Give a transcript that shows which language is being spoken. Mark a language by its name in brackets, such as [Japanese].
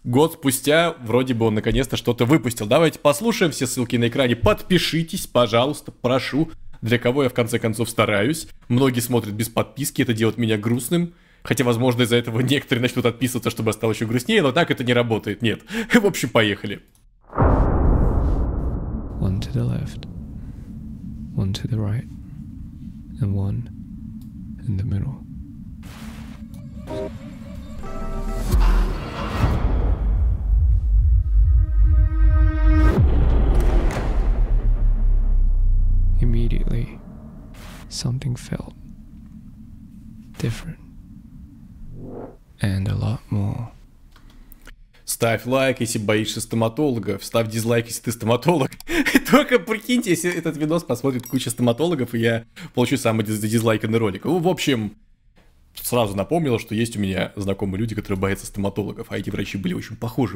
[Russian] Год спустя, вроде бы он наконец-то что-то выпустил. Давайте послушаем, все ссылки на экране. Подпишитесь, пожалуйста, прошу. Для кого я в конце концов стараюсь. Многие смотрят без подписки, это делает меня грустным. Хотя, возможно, из-за этого некоторые начнут отписываться, чтобы я стал еще грустнее, но так это не работает. Нет. В общем, поехали. [English] One to the left, one to the right, and one in the middle. Immediately, something felt different and a lot more. [Russian] Ставь лайк, если боишься стоматологов. Ставь дизлайк, если ты стоматолог. Только прикиньте, если этот видос посмотрит куча стоматологов, и я получу самый дизлайканный ролик. В общем, сразу напомнил, что есть у меня знакомые люди, которые боятся стоматологов. А эти врачи были очень похожи.